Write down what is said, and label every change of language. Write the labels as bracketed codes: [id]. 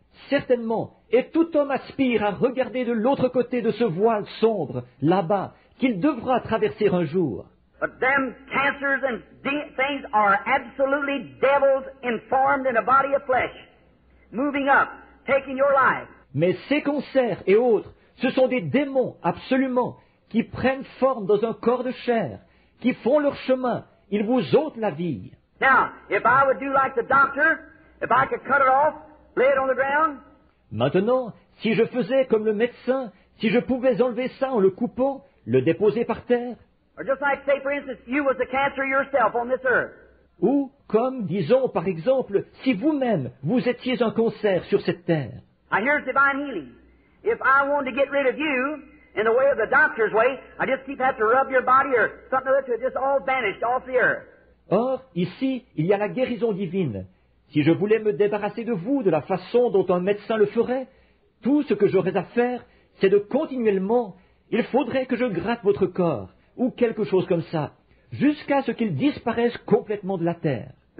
[fr] Certainement, et tout homme aspire à regarder de l'autre côté de ce voile sombre, là-bas, qu'il devra traverser un jour. [en] But them cancers and things are absolutely devils informed in a body of flesh, moving up, taking your life. [fr] Mais ces cancers et autres, ce sont des démons absolument qui prennent forme dans un corps de chair, qui font leur chemin, ils vous ôtent la vie. [en] Now, if I would do like the doctor, if I could cut it off, lay it on the ground. [fr] Maintenant, si je faisais comme le médecin, si je pouvais enlever ça en le coupant, le déposer par terre. [en] Or just like, say, for instance, you was the cancer yourself on this earth. [fr] Ou comme, disons, par exemple, si vous-même, vous étiez un cancer sur cette terre. [en] I hear divine healing. If I wanted to get rid of you, in the way of the doctor's way. I just keep having to rub your body or something like that, it just all vanished off the earth. [fr] Or, ici, il y a la guérison divine. Si je voulais me débarrasser de vous de la façon dont un médecin le ferait, tout ce que j'aurais à faire, c'est de continuellement, il faudrait que je gratte votre corps, ou quelque chose comme ça, jusqu'à ce qu'il disparaisse complètement de la terre.